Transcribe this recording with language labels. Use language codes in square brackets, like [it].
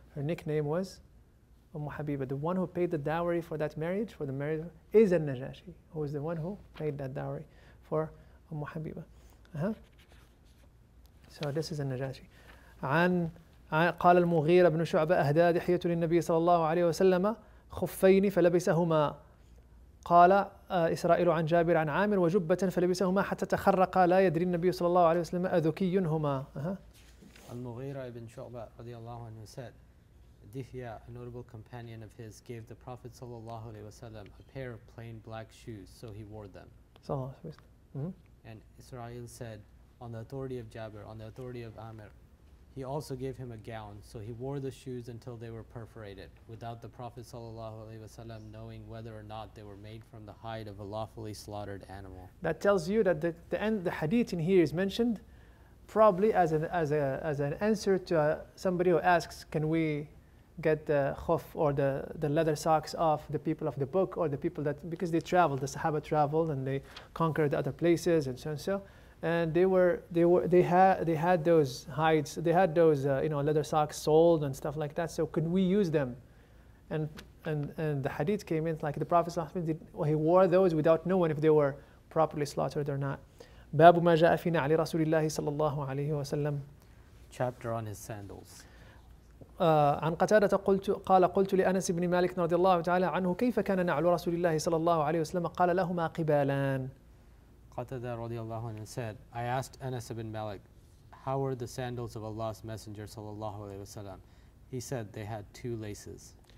[en] Her nickname was Ummu Habiba. The one who paid the dowry for that marriage, for the marriage, is al-Najashi, who is the one who paid that dowry for Ummu Habiba. So this is al-Najashi. [ar] قال المغيرة بن شعبة أهدى دحية للنبي صلى الله عليه وسلم خفين فلبسهما. قال إسرائيل عن جابر عن عامر وجبة فلبسهما حتى تخرق لا يدري النبي صلى الله عليه وسلم أذكي هما. [en] المغيرة بن شعبة رضي الله عنه said, Dithya, a notable companion of his, gave the Prophet صلى الله عليه وسلم a pair of plain black shoes, so he wore them. [ar] صلى الله عليه وسلم. [en] And Israel said, on the authority of Jabir, on the authority of Amir, he also gave him a gown, so he wore the shoes until they were perforated, without the Prophet ﷺ knowing whether or not they were made from the hide of a lawfully slaughtered animal. That tells you that the hadith in here is mentioned probably as an answer to somebody who asks, can we get the khuf or the leather socks off the people of the book, or the people that, because they traveled, the Sahaba traveled and they conquered other places and so on and so. And they had those leather socks sold and stuff like that. So could we use them? And the hadith came in like the Prophet ﷺ he wore those without knowing if they were properly slaughtered or not. [ar] باب ما جاء في نعل رسول الله صلى الله عليه وسلم. [en] Chapter on his sandals. [ar] عن قتادة قلت لأنس بن مالك رضي الله تعالى عنه كيف كان نعل رسول الله صلى الله عليه وسلم؟ قال لهما قبالان. [en] Qatada radiallahu anhu said, I asked Anas ibn Malik, how were the sandals of Allah's Messenger sallallahu alayhi wa sallam? He said they had two laces.